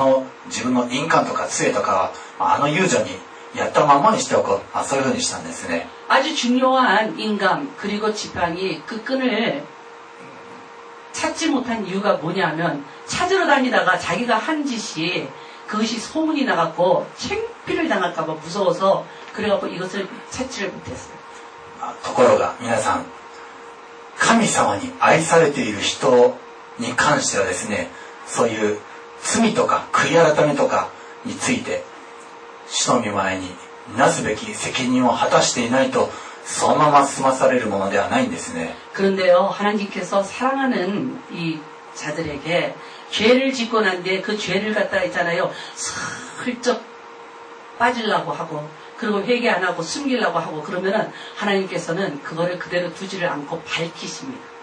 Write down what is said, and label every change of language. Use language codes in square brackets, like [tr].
[ja] そういうわけでユダもですね、そういう恥ずかしい思いをしたくないがゆえに、このことはもう闇に葬って、自分の印鑑とか杖とか、あの遊女に。 [ko] 아주 중요한 인감 그리고 지팡이 그 끈을 찾지 못한 이유가 뭐냐면 찾으러 다니다가 자기가 한 짓이 그것이 소문이 나갖고 창피를 당할까봐 무서워서 그래갖고 이것을 찾지를 못했어요. [ja] ところが皆さん神様に愛されている人に関してはですねそういう罪とか悔い改めとかについて 死の御前になすべき責任を果たしていないとそのまま済まされるものではないんですね。 [ko] 그런데요, 하나님께서 사랑하는 이 자들에게 죄를 짓고 난 뒤에 그 죄를 갖다 있잖아요. 슬쩍 빠지려고 하고, 그리고 회개 안 하고 숨기려고 하고 그러면은 하나님께서는 그거를 그대로 두지를 않고 밝히십니다.